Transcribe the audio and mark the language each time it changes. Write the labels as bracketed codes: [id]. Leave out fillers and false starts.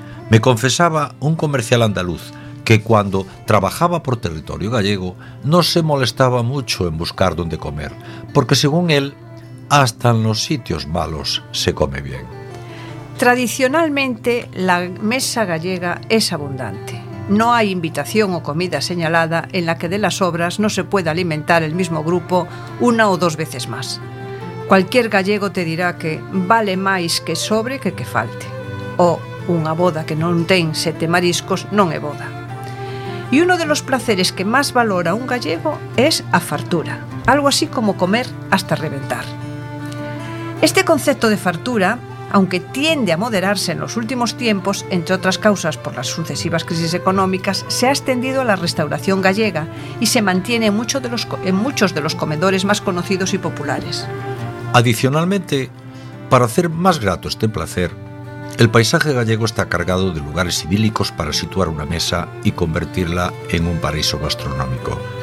[es] Me confesaba un comercial andaluz que, cuando trabajaba por territorio gallego, no se molestaba mucho en buscar dónde comer, porque según él, hasta en los sitios malos se come bien. Tradicionalmente, la mesa gallega es abundante. No hay invitación o comida señalada en la que, de las sobras, no se pueda alimentar el mismo grupo una o dos veces más. Cualquier gallego te dirá que [gl] vale máis que sobre que falte. O unha boda que non ten sete mariscos non é boda. [es] E uno de los placeres que máis valora un gallego [gl] é a fartura, [es] algo así como comer hasta reventar. Este concepto de fartura, aunque tiende a moderarse en los últimos tiempos, entre otras causas por las sucesivas crisis económicas, se ha extendido a la restauración gallega y se mantiene en muchos de los comedores más conocidos y populares. Adicionalmente, para hacer más grato este placer, el paisaje gallego está cargado de lugares idílicos para situar una mesa y convertirla en un paraíso gastronómico.